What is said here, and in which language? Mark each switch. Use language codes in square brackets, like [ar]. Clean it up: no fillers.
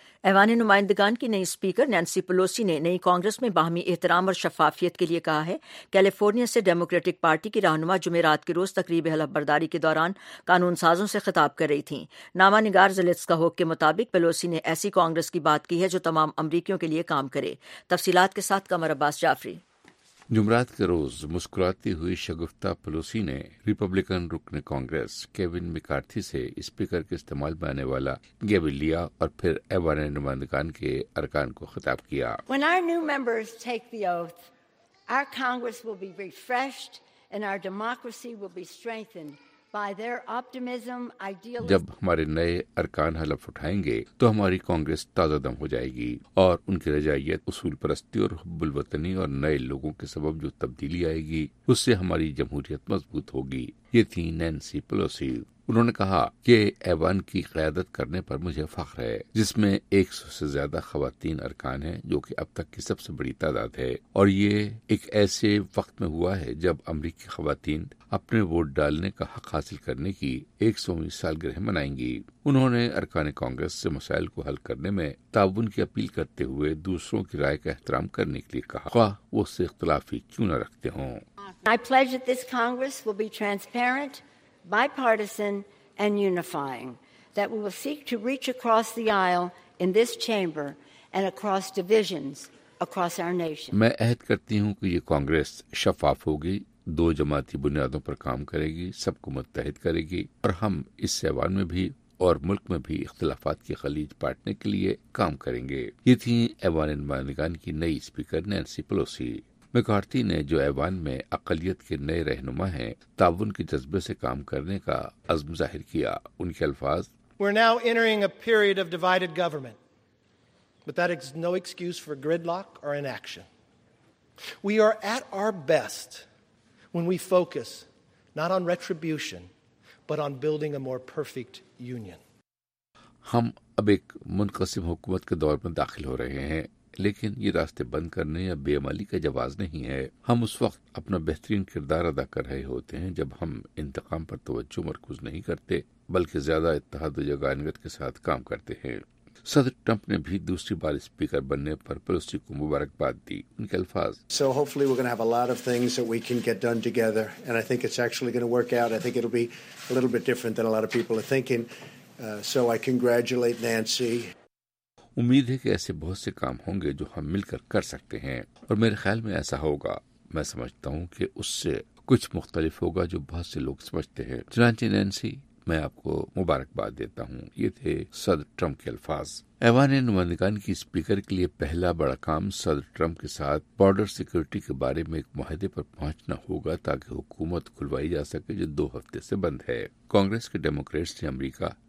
[ur] ایوان نمائندگان کی نئی اسپیکر نینسی پلوسی نے نئی کانگریس میں باہمی احترام اور شفافیت کے لیے کہا ہے۔ کیلیفورنیا سے ڈیموکریٹک پارٹی کی رہنما جمعرات کے روز تقریب حلف برداری کے دوران قانون سازوں سے خطاب کر رہی تھیں۔ نامہ نگار زلیتسکا ہوک کے مطابق پلوسی نے ایسی کانگریس کی بات کی ہے جو تمام امریکیوں کے لیے کام کرے۔ تفصیلات کے ساتھ قمر عباس جعفری۔ جمعرات کے روز مسکراتی ہوئی شگفتہ پلوسی نے ریپبلکن رکن کانگریس کیون مکارتھی سے اسپیکر کے استعمال میں آنے والا گیویل لیا اور پھر ایوان نمائندگان کے ارکان کو خطاب کیا۔ [en] When our new members take the oath, our Congress will be refreshed and our democracy will be strengthened by their optimism, idealism. [ur] جب ہمارے نئے ارکان حلف اٹھائیں گے تو ہماری کانگریس تازہ دم ہو جائے گی اور ان کی رجائیت، اصول پرستی اور حب الوطنی اور نئے لوگوں کے سبب جو تبدیلی آئے گی اس سے ہماری جمہوریت مضبوط ہوگی۔ یہ تھی نینسی پلوسی۔ انہوں نے کہا کہ ایوان کی قیادت کرنے پر مجھے فخر ہے، جس میں 100 سے زیادہ خواتین ارکان ہیں، جو کہ اب تک کی سب سے بڑی تعداد ہے، اور یہ ایک ایسے وقت میں ہوا ہے جب امریکی خواتین اپنے ووٹ ڈالنے کا حق حاصل کرنے کی 100ویں سالگرہ منائیں گی۔ انہوں نے ارکان کانگریس سے مسائل کو حل کرنے میں تعاون کی اپیل کرتے ہوئے دوسروں کی رائے کا احترام کرنے کے لیے کہا، خواہ وہ اس سے اختلافی کیوں نہ رکھتے ہوں۔ [en] I pledge that this Congress will be transparent, bipartisan, and unifying, that we will seek to reach across the aisle in this chamber and across divisions across our nation. [ur] میں عہد کرتی ہوں کہ یہ کانگریس شفاف ہوگی، دو جماعتی بنیادوں پر کام کرے گی، سب کو متحد کرے گی، اور ہم اس ایوان میں بھی اور ملک میں بھی اختلافات کی خلیج پاٹنے کے لیے کام کریں گے۔ یہ تھی ایوان نمائندگان کی نئی اسپیکر نینسی پلوسی۔ مکارتھی نے، جو ایوان میں اقلیت کے نئے رہنما ہیں، تعاون کے جذبے سے کام کرنے کا عزم ظاہر کیا۔ ان کے الفاظ، [en] We're now entering a period of divided government, but that is no excuse for gridlock or inaction. We are at our best when we focus not on retribution but on building a more perfect union. [ur] ہم اب ایک منقسم حکومت کے دور میں داخل ہو رہے ہیں، لیکن یہ راستے بند کرنے یا بے عملی کا جواز نہیں ہے۔ ہم اس وقت اپنا بہترین کردار ادا کر رہے ہوتے ہیں جب ہم انتقام پر توجہ مرکوز نہیں کرتے، بلکہ زیادہ اتحاد و یگانگت کے ساتھ کام کرتے ہیں۔ صدر ٹرمپ نے بھی دوسری بار اسپیکر بننے پر پلوسی کو مبارکباد دی۔ ان کے الفاظ، [en] So hopefully we're going to have a lot of things that we can get done together, and I think it's actually going to work out. I think it'll be a little bit different than a lot of people are thinking. So I congratulate Nancy. [ur] امید ہے کہ ایسے بہت سے کام ہوں گے جو ہم مل کر کر سکتے ہیں، اور میرے خیال میں ایسا ہوگا۔ میں سمجھتا ہوں کہ اس سے کچھ مختلف ہوگا جو بہت سے لوگ سمجھتے ہیں۔ چنانچہ نینسی، میں آپ کو مبارکباد دیتا ہوں۔ یہ تھے صدر ٹرمپ کے الفاظ۔ ایوان نمائندگان کی اسپیکر کے لیے پہلا بڑا کام صدر ٹرمپ کے ساتھ بارڈر سیکورٹی کے بارے میں ایک معاہدے پر پہنچنا ہوگا، تاکہ حکومت کھلوائی جا سکے جو 2 ہفتے سے بند ہے۔ کانگریس کے ڈیموکریٹس نے امریکہ